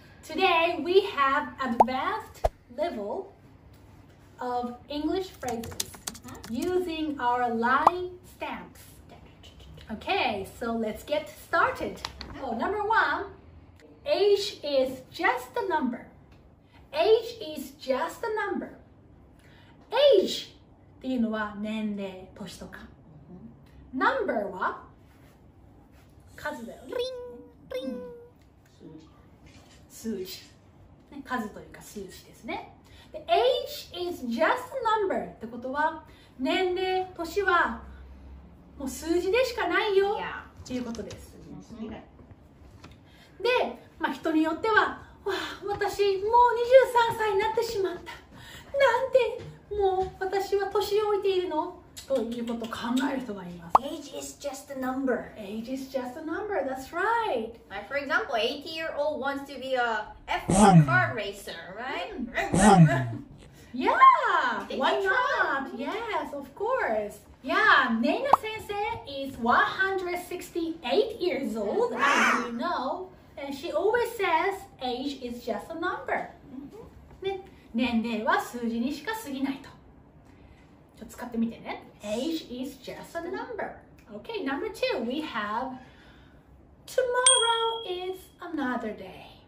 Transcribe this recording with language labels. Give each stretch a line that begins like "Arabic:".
English: Today we have advanced level of English phrases using our line stamps. Okay, so let's get started. Oh, number one, age is just a number. Age is just a number.
Japanese: Age っていうのは年齢、年とか。Number は数だよ。リン、リン。数字。数というか数字ですね。
English: The age is just a number
Japanese: ってことは年齢、年はもう数字でしかないよ、
English: yeah.
Japanese: っていうことです。で、まあ、人によっては、わあ、私もう23歳になってしまった。なんて、もう私は年老いているのということを考える人がいます。
English: Age is just a number. Age is just a number. That's right. Like for example, 80-year-old wants to be a F1 car racer, right? Yeah. Why not? Yes, of course. Yeah, Nana sensei is 168 years old, as you know, and she always says age is just a number. Mm-hmm.
Japanese: ね、年齢は数字にしか過ぎないと。ちょっと使ってみてね。
English: Age is just a number. Okay, number two, we have tomorrow is another day.